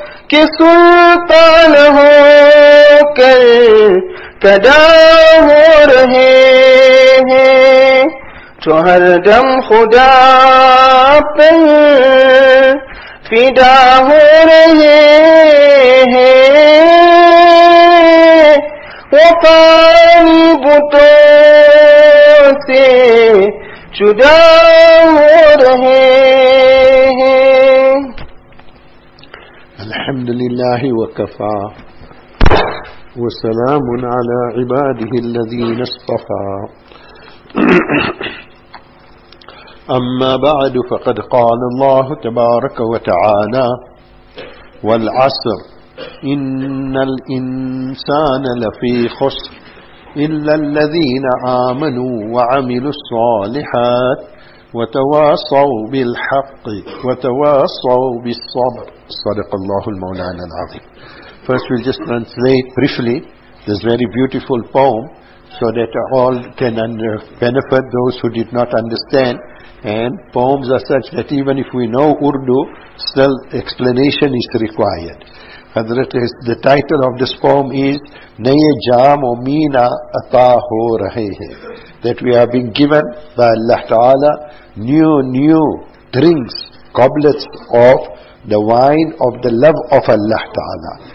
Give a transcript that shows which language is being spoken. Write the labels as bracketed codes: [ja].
[ur] کہ سلطان ہو کر قدا ہو رہے ہیں, جو ہر دم خدا پر فدا ہو رہے ہیں, وہ فانی بتوں سے جدا ہو رہے ہیں. [ar] الحمد لله وكفى وسلام على عباده الذين اصطفى. أما بعد، فقد قال الله تبارك وتعالى: والعصر إن الإنسان لفي خسر إلا الذين آمنوا وعملوا الصالحات وتواصوا بالحق وتواصوا بالصبر. صدق الله المولانا العظيم. [en] First we'll just translate briefly this very beautiful poem so that all can benefit those who did not understand. And poems are such that even if we know Urdu, still explanation is required. Hazrat, the title of this poem is Naye Jam O Meena Ata Ho Rahe Hai, that we have been given by Allah Ta'ala new drinks, goblets of the wine of the love of Allah Ta'ala.